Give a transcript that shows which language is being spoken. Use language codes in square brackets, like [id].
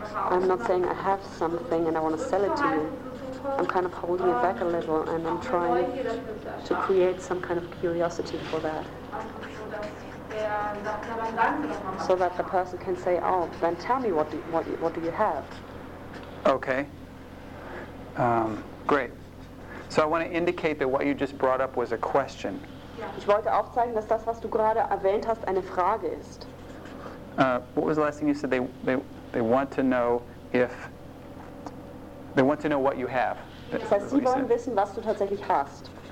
[en] I'm not saying I have something and I want to sell it to you. I'm kind of holding it back a little and I'm trying to create some kind of curiosity for that. So that the person can say, oh, then tell me what do you have. Okay. Great. So I want to indicate that what you just brought up was a question. [de] Ich wollte aufzeigen, dass das, was du gerade erwähnt hast, eine Frage ist. [en] What was the last thing you said? They want to know if they want to know what you have. [de] Das heißt, sie wollen wissen, was du tatsächlich hast.